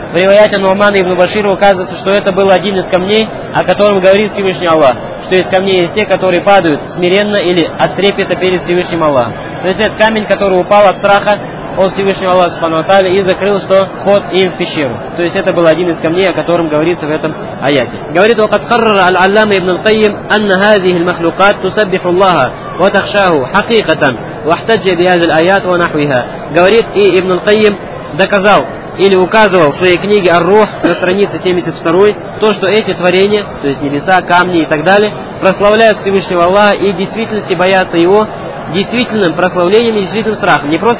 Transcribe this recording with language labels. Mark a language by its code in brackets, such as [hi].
[ru] В риваяте Нурмана ибн Башира указывается, что это был один из камней, о котором говорит Всевышний Аллах, что из камней есть те, которые падают смиренно или от трепета перед Всевышним Аллахом. То есть это камень, который упал от страха от Всевышнего Аллаха Субхану ва Тааля и закрыл что? Вход им в пещеру. То есть это был один из камней, о котором говорится в этом аяте. Говорит, [ar] وقد قرر العلامة ابن القيم أن هذه المخلوقات تسبح الله وتخشاه حقيقة واحتج بهذه الآيات ونحوها. [ru] Говорит, и ابن القيم доказал или указывал в своей книге «Ар-Рух» на странице 72, то, что эти творения, то есть небеса, камни и так далее, прославляют Всевышнего Аллаха и в действительности боятся Его действительным прославлением и действительным страхом.